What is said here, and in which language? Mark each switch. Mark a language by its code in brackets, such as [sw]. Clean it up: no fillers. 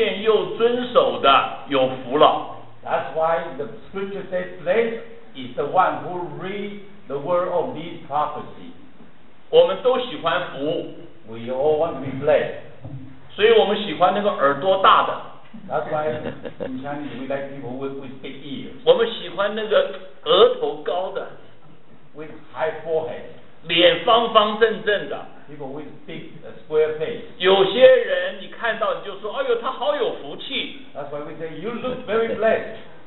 [zh] 所以圣经告诉我们，念这书上预言的和那些听见又遵守的有福了。 [en] That's why the scripture says, blessed is the one who reads the word of this prophecy. [zh] 我们都喜欢福。 [en] We all want to be blessed. [zh] 所以我们喜欢那个耳朵大的。 [en] That's why in Chinese we like people with big ears. [zh] 我们喜欢那个额头高的。 [en] With high forehead. [zh] 脸方方正正的。 [en] People with big square face. [zh] 有些人你看到你就说，哎呦，他好有福气。 [en] That's why we say you look very blessed.